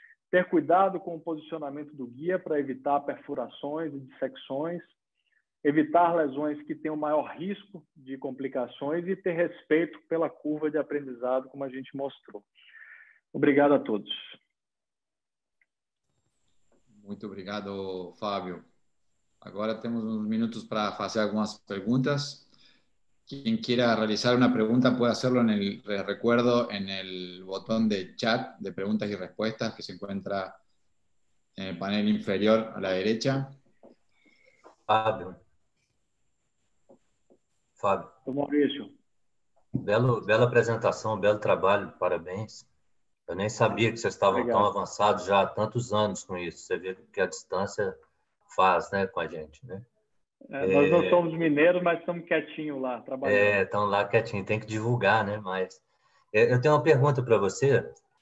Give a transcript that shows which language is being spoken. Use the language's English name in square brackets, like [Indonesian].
[Portuguese] Ter cuidado com o posicionamento do guia para evitar perfurações e dissecções, evitar lesões que tenham maior risco de complicações e ter respeito pela curva de aprendizado, como a gente mostrou. Obrigado a todos. Muito obrigado, Fábio. Agora temos uns minutos para fazer algumas perguntas. [Spanish] Quien quiera realizar una pregunta puede hacerlo en el recuerdo en el botón de chat de preguntas y respuestas que se encuentra en el panel inferior a la derecha. Fabio. Fabio. Mauricio. [Portuguese] Bela [Spanish] presentación, [Portuguese] belo [Spanish] trabajo, [Portuguese] parabéns. [Spanish] Yo [Portuguese] nem sabía que vocês estavam tão avançados já há tantos anos com isso. Você vê que a distância faz, né, com a gente, né? Nós não somos mineiros, mas estamos quietinhos lá, trabalhando. Estão lá quietinhos, tem que divulgar, né? Mas eu tenho uma pergunta para você.